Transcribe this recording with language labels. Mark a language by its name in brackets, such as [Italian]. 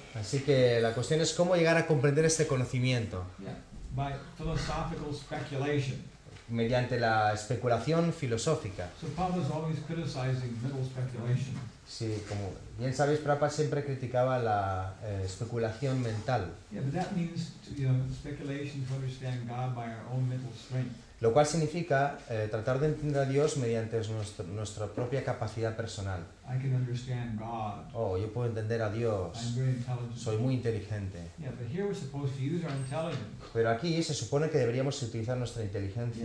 [Spanish] Así que la cuestión es cómo llegar a comprender este conocimiento. [English] Yeah. By philosophical speculation. [Spanish] Mediante la especulación filosófica. [English] So, Prabhupada's always criticizing middle speculation. [Spanish] Sí, como bien sabéis, Prabhupada siempre criticaba la especulación mental. [English] Yeah, but that means to, you know, speculation to understand God by our own mental strength. [Spanish] Lo cual significa tratar de entender a Dios mediante nuestra propia capacidad personal. [English] I can understand God. [Spanish] Oh, yo puedo entender a Dios. [English] I'm very intelligent. [Spanish] Soy muy inteligente. [English] Yeah, but here we're supposed to use our intelligence. [Spanish] Pero aquí se supone que deberíamos utilizar nuestra inteligencia,